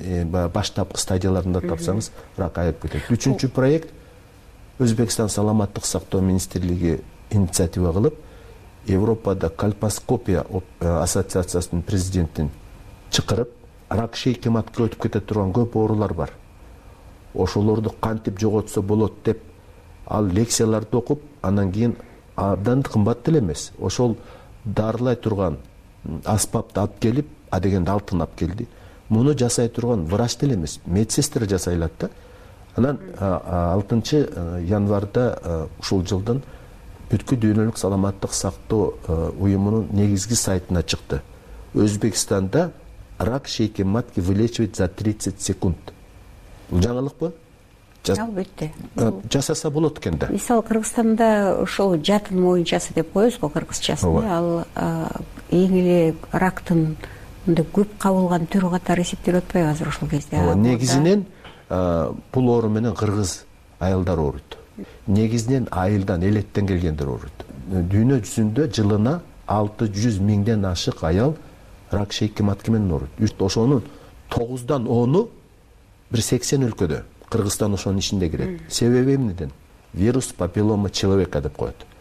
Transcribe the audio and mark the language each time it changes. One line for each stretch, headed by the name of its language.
Kyrgyz: Баштапкы стадияларында тапсаңыз рак айып кетет. Үчүнчү проект Өзбекстан саламаттык сактоо министрлиги инициатива кылып, Европада кальпоскопия ассоциациясынын президентин чакырып, рак шейки матка өтүп кете турган көп оорулар бар, ошолорду кантип жоготсо болот деп, ал лекцияларды окуп, анан кийин абдан кымбат деле эмес, ошол дарылай турган аспапты алып келип, адегенде алтын алып келди. Муну жасай турган врач деле эмес, медсестра жасай алат да. Анан 6 январда ушул жылдын бүткүл дүйнөлүк саламаттык сактоо уюмунун негизги сайтына чыкты.
Russian: Өзбекстанда рак шейки матки вылечивает за 30 секунд.
Kyrgyz: Бул жаңылыкпы? Албетте. Жасаса болот экен да. Мисалы, Кыргызстанда ошол жатын моюнчасы деп коебуз го кыргызчасын, ал эң эле рактын мындай көп кабылган түрү катары эсептелип атпайбы азыр ушул кезде? Негизинен бул оору менен кыргыз аялдар ооруйт. Негизинен айылдан, элеттен келгендер ооруйт. Дүйнө жүзүндө жылына 600,000 ашык аял рак шейки матки менен ооруйт. Үрт ошонун 9-10 бир 80 өлкөдө. Кыргызстан ошонун ичинде кирет. Себеби эмнеден? Вирус папиллома человека деп коет.